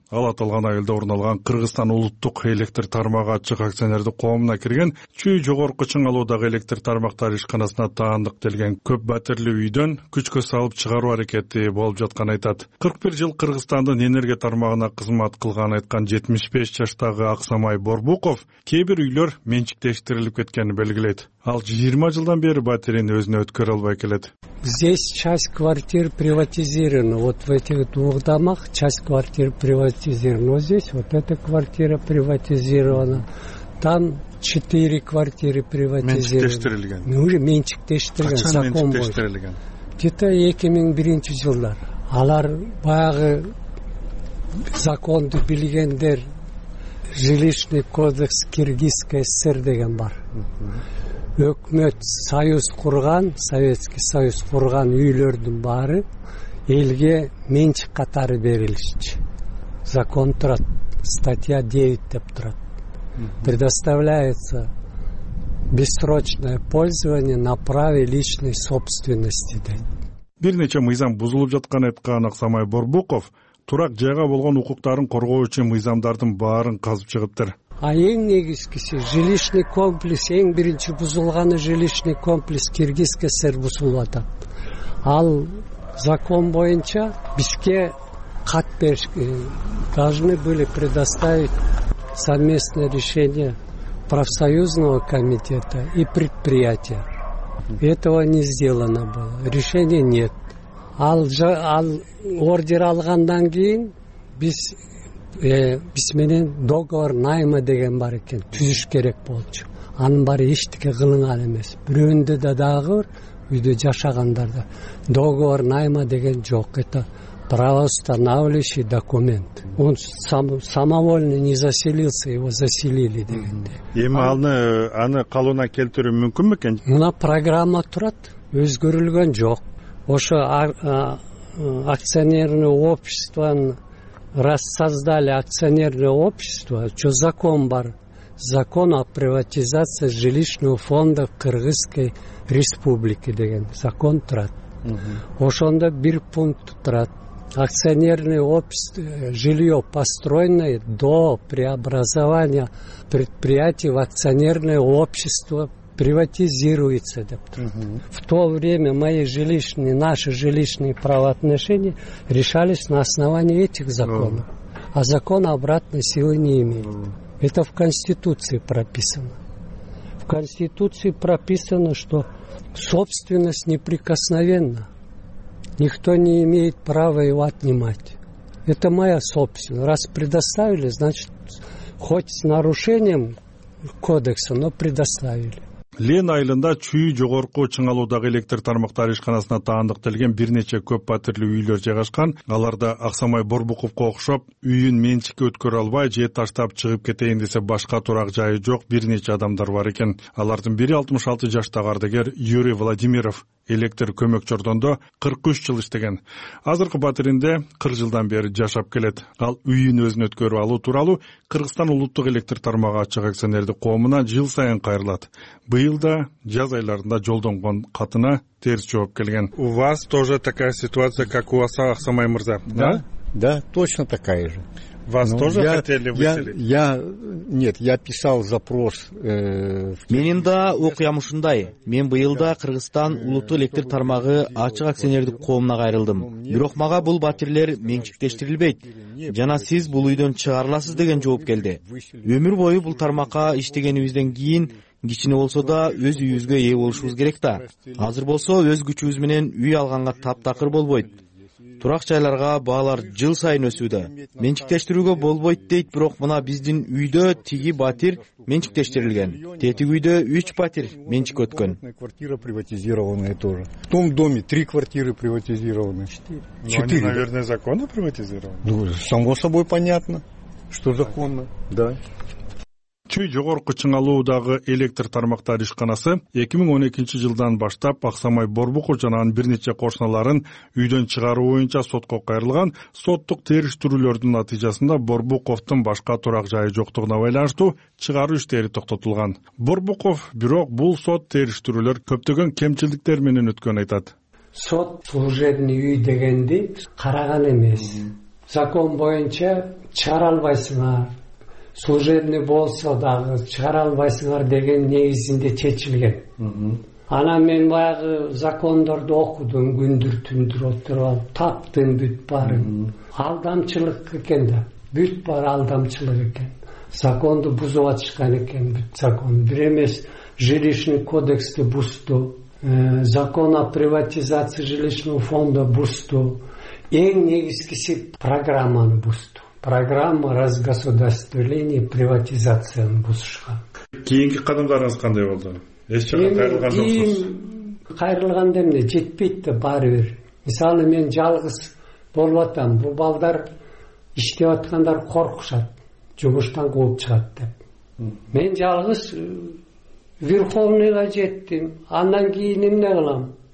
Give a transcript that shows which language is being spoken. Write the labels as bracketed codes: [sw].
[ky] Ал аталган айылда орналган Кыргызстан улуттук электр тармагы ачык акционердик коомуна кирген, чүй жогорку чыңалуудагы электр тармактар ишканасына таандык делген көп батирлүү үйдөн күчкө салып чыгаруу аракети болуп жатканын айтат. 41 жыл Кыргызстандын энергия тармагына кызмат кылганын айткан 75 жаштагы Аксамай Борбуков кээ бир үйлөр менчиктештирилип кеткенин белгилейт. Ал 20 жылдан бери батирени өзүнө өткөрө албай келет. [ru] Здесь часть квартир приватизирована. Вот в этих двух домах часть квартир приватизирована. Вот здесь вот эта квартира приватизирована. Там 4 квартиры приватизированы. [ky] Менчиктештирилген. [ru] Ну уже [ky] менчиктештирилген. Качан менчиктештирилген? [ru] Где-то [ky] 2001 жылдар. Алар баягы законды билгендер, [ru] жилищный кодекс Киргизской ССР [ky] деген бар. Өкмөт союз курган, Советский Союз курган үйлөрдүн баары элге менчик катары берилишчи. Закон турат, статья 9 деп турат. [ru] Предоставляется бессрочное пользование на праве личной собственности. [ky] Бир нече мыйзам бузулуп жаткан айткан Аксамай Борбуков, турак жайга болгон укуктарын коргоо үчүн мыйзамдардын баарын казып чыгыптыр. А эң негизгиси жилищный комплекс, эң биринчи бузулганы [ru] жилищный комплекс Киргизской ССР [ky] бузулуп атат. Ал закон боюнча бизге кат бериш [ru] должны были предоставить совместное решение профсоюзного комитета и предприятия. Этого не сделано было. Решения нет. [ky] Ал ордер алгандан кийин биз биз менен договор найма деген бар экен, түзүш керек болчу. Анын баары эчтеке кылынган эмес. Бирөөндө да дагы бар, үйдө жашагандарда договор найма деген жок. [ru] Это правоустанавливающий документ. Он самовольно не заселился, его заселили [ky] дегенде. Эми аны калууна келтирүү мүмкүн бекен? Мына программа турат, өзгөрүлгөн жок. Ошо акционерное общество, [ru] раз создали акционерное общество, что закон [ky] бар? [ru] Закон о приватизации жилищного фонда Кыргызской Республики [ky] деген. Закон турат. Ошондо бир пункт турат. [ru] Акционерное общество, жилье построенное до преобразования предприятий в акционерное общество приватизируется, [ky] деп турат. [ru] В то время наши жилищные правоотношения решались на основании этих законов. А закон обратной силы не имеет. Это в Конституции прописано. В Конституции прописано, что собственность неприкосновенна. Никто не имеет права его отнимать. Это моя собственность. Раз предоставили, значит, хоть с нарушением кодекса, но предоставили. [ky] Лен айылында чүй жогорку чыңалуудагы электр тармактар ишканасына таандык делген бир нече көп батирлүү үйлөр жайгашкан. Аларда Аксамай Борбуковко окшоп, үйүн менчикке өткөрө албай же таштап чыгып кетейин десе башка турак жайы жок бир нече адамдар бар экен. Алардын бири 66 жаштагы ардыгер Юрий Владимиров. Электр көмөк жордондо 43 жыл иштеген. Азыркы батиринде 40 жылдан бери жашап келет. Ал үйүн өзүн өткөрүп алуу тууралуу Кыргызстан улуттук электр тармагы ачык акционердик коомуна жыл сайын кайрылат. Быйыл да жаз айларында жолдонгон катына терс жооп келген. [ru] У вас тоже такая ситуация, как у вас, Аксамай мырза? Да? Да, точно такая же. Вас тоже хотели выселить? Я писал запрос. [ky] Менин да окуям ушундай. Мен быйыл да Кыргызстан улуттук электр тармагы ачык акционердик коомуна кайрылдым. Бирок мага бул батирлер менчиктештирилбейт. Жана сиз бул үйдөн чыгарыласыз деген жооп келди. Өмүр бою бул тармакка иштегенибизден кийин кичине болсо да өз үйүбүзгө ээ болушубуз керек да. Азыр болсо өз күчүбүз менен үй алганга таптакыр болбойт. Турак жайларга баалар жыл сайын өсүүдө. Менчиктештирүүгө болбойт дейт, бирок мына биздин үйдө тиги батир менчиктештирилген. Тетиги үйдө 3 батир менчик өткөн. [ru] Квартира приватизированная тоже. В том доме 3 квартиры приватизированы. 4. Они, наверное, законно приватизированы. Ну, само собой понятно, что законно. Да. [ky] Чүй жогорку чыңалуудагы электр тармактар ишканасы 2012 жылдан баштап Аксамай Борбуков жана анын бир нече кошуналарын үйдөн чыгаруу боюнча сотко кайрылган. Соттук териштирүүлөрдүн натыйжасында Борбуковдун башка турак жайы жоктугуна байланыштуу чыгаруу иштери токтотулган. Борбуков бирок бул сот териштирүүлөр көптөгөн кемчиликтер менен өткөнүн айтат. сот служебный үй дегенди караган эмес. Закон боюнча чыгара албайсыңар. Служебный болсо дагы чыгара албайсыңар деген негизинде чечилген. Ана мен баягы закондорду окудум, күндүр түндүр отуруп алып таптым бүт барын. Алдамчылык экен да, бүт бар алдамчылык экен. Законду бузуп атышкан экен бүт закон. Бир эмес жилищный кодексти бузду, [ru] закон о приватизации жилищного фонда [ky] бузду, эң негизгиси программаны бузду. [ru] Программа разгосударствления [ky] приватизацияны бузушкан. Кийинки кадамдарыңыз кандай болду? Кайрылганда эмне жетпейт да баарыбир. Мисалы мен жалгыз болуп атам, бул балдар иштеп аткандар коркушат, жумуштан кууп чыгат деп. Мен жалгыз верховныйга жеттим, андан кийин эмне кылам?